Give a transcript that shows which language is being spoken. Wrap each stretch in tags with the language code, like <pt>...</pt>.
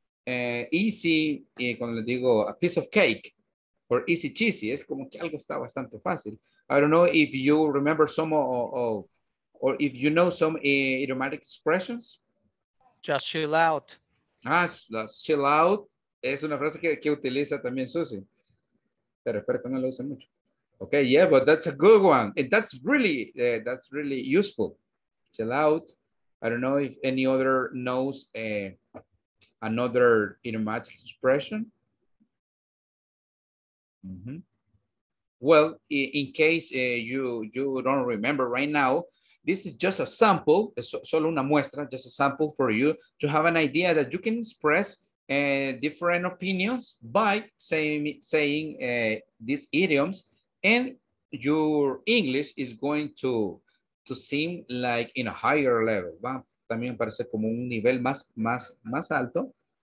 <es>Easy, y cuando le digo a</es> <en>piece of cake, or easy cheesy,</en> <es>es como que algo está bastante fácil.</es> <en>I don't know if you remember some of or if you know some idiomatic expressions? Just chill out.</en> <es>Ah, chill out. Es una frase que utiliza también Susie. Pero espero que no lo use mucho.</es> <en>Okay, yeah, but that's a good one. And that's really useful. Chill out. I don't know if any other knows another idiomatic expression. Mm-hmm. Well, in case you don't remember right now, this is just a sample,</en> <es>solo una muestra,</es> <en>just a sample for you to have an idea that you can express different opinions by saying these idioms, and your English is going to seem like in a higher level.</en> <es>Va también parece como un nivel más alto.</es>